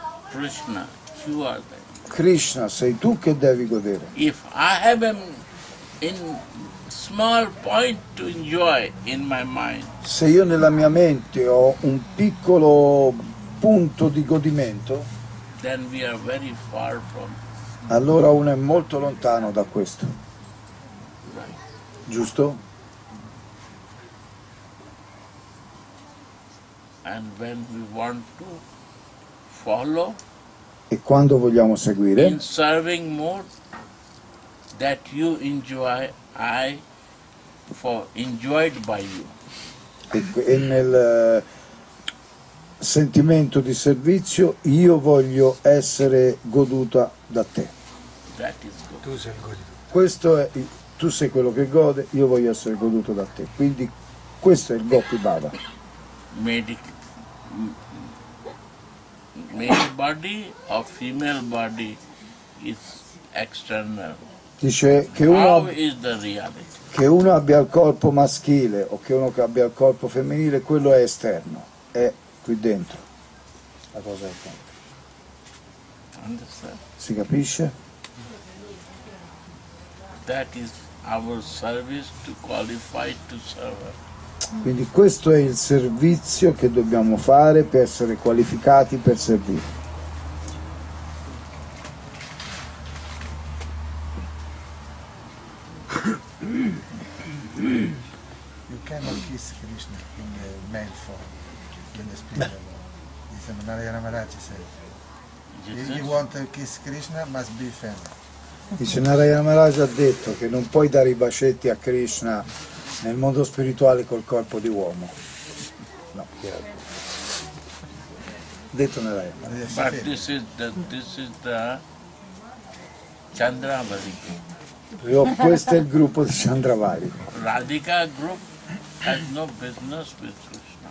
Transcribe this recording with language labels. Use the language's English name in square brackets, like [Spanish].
[English] Krishna, you are the enjoyer. [Italian] Krishna, sei tu che devi godere. [English] If I have a in small point to enjoy in my mind. [Italian] Se io nella mia mente ho un piccolo punto di godimento, [English] then we are very far from. [Italian] Allora uno è molto lontano da questo. Giusto? [English] And when we want to follow, [Italian] e quando vogliamo seguire? [English] In serving more that you enjoy, I for enjoyed by you. [Italian] E nel sentimento di servizio io voglio essere goduta da te. Tu sei il goditore. Questo è tu sei quello che gode, io voglio essere goduto da te. Quindi questo è il Gopi Baba. [English] Male body or female body is external. [Italian] Dice che uno, [English] how is the reality? [Italian] Che uno abbia il corpo maschile o che uno abbia il corpo femminile, quello è esterno, è qui dentro. La cosa è fatta. Si capisce? [English] That is our service to qualify to serve. [Italian] Quindi questo è il servizio che dobbiamo fare per essere qualificati per servire. [English] You cannot kiss Krishna in the male form, in the spirit. Narayana Maharaj said, if you want to kiss Krishna, must be female. [Italian] Dice Narayana Maharaj ha detto che non puoi dare i bacetti a Krishna nel mondo spirituale col corpo di uomo. No, chiaro. Detto Narayana Maharaj. [English] But this is the Chandravarika. [Italian] Questo è il gruppo di Chandravarika. [English] Radhika group has no business with Krishna.